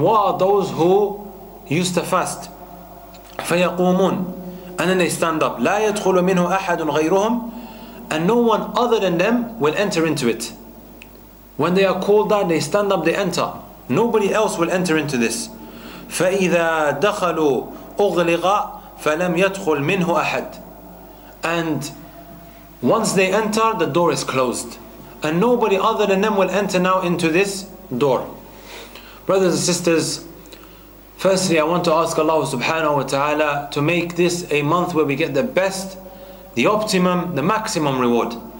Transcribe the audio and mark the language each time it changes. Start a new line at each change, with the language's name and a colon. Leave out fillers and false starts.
English: What are those who used to fast?
Arabic: فَيَقُومُونَ.
English: And then they stand up.
Arabic: لا يدخل منه أحد غيرهم.
English: And no one other than them will enter into it. When they are called down, they stand up, they enter. Nobody else will enter into this.
Arabic: فإذا دخلوا أغلق فلم يدخل منه أحد.
English: And once they enter, the door is closed. And nobody other than them will enter now into this door. Brothers and sisters, firstly, I want to ask Allah subhanahu wa ta'ala to make this a month where we get the best, the optimum, the maximum reward.